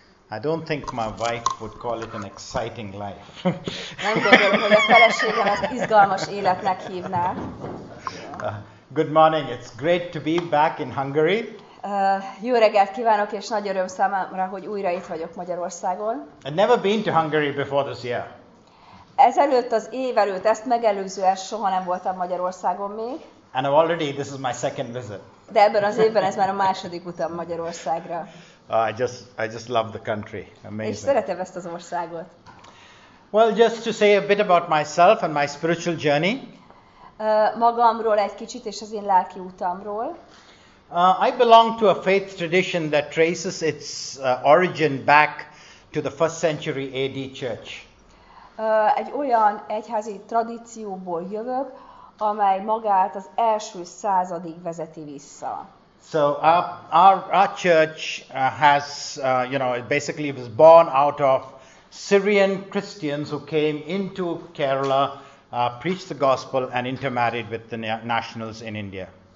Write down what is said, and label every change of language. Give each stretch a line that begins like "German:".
English: I don't think my wife would call it an exciting life.
Hungarian: Nem gondolom, hogy a feleségem ezt izgalmas életnek hívná.
English: Good morning. It's great to be back in Hungary.
Hungarian: Jó reggelt kívánok, és nagy öröm számomra, hogy újra itt vagyok Magyarországon.
English: I've never been to Hungary before this year.
Hungarian: Ezelőtt, az év előtt, ezt megelőzően soha nem voltam Magyarországon még.
English: And I've already, this is my second visit.
Hungarian: De ebben az évben ez már a második utam Magyarországra.
English: I just love the country. Amazing.
Hungarian: És szeretem ezt az országot.
English: Well, just to say a bit about myself and my spiritual journey.
Hungarian: Magamról egy kicsit és az én lelki utamról.
English: I belong to a faith tradition that traces its origin back to the first century AD church.
Hungarian: Egy olyan egyházi tradícióból jövök, amely magát az első századig vezeti vissza.
English: So our church has you know, it basically was born out of Syrian Christians who came into Kerala, preached the gospel and intermarried with the nationals in India.